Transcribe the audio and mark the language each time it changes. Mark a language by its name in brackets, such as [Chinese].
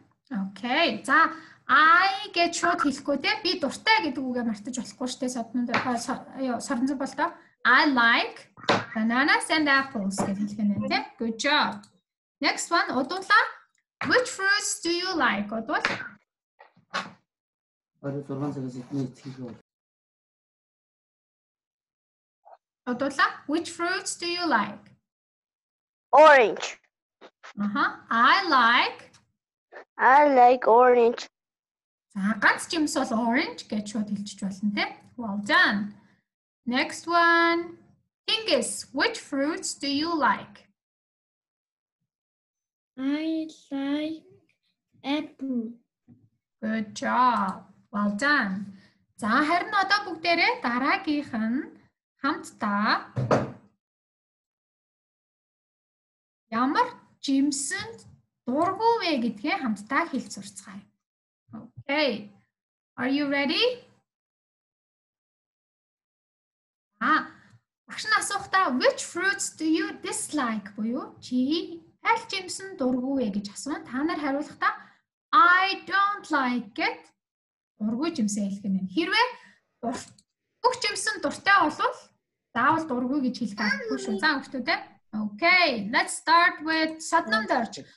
[Mongolian] Okay, за I гэж шууд хэлэхгүй те би дуртай гэдэг үгээр мартаж болохгүй штэ Sodnamd Саранзанболто. [English] I like bananas and apples [Mongolian] гэж хэлэх нь те. [English] Good job. Next one Odula. Which fruits do you like Odul? Odula, which fruits do you like? Orange. I like orange. [Mongolian] За ганц жимс бол orange гэж шууд хэлчих болно тий. [English] Well done. Next one. Angus, which fruits do you like? I like apple. Good job. Well done. [Mongolian] За харин одоо бүгдээрээ дараагийнх нь хамтдаа ямар жимсэнд дургүй вэ гэдгээ хамтдаа хэлж сурцгаая. [English] Okay. Are you ready? [Mongolian] Багш нь асуухдаа [English] which fruits do you dislike [Mongolian] буюу чи аль жимсэнд дургүй вэ гэж асуусан. Та нар хариулахдаа [English] I don't like it. [Mongolian] Дургүй жимсээ хэлэх юм. Хэрвээ бүх жимсэн дуртай болвол заавал дургүй гэж хэлэх байхгүй шүү. За өгчтөө те. [English] Okay, let's start with Satnam Darch.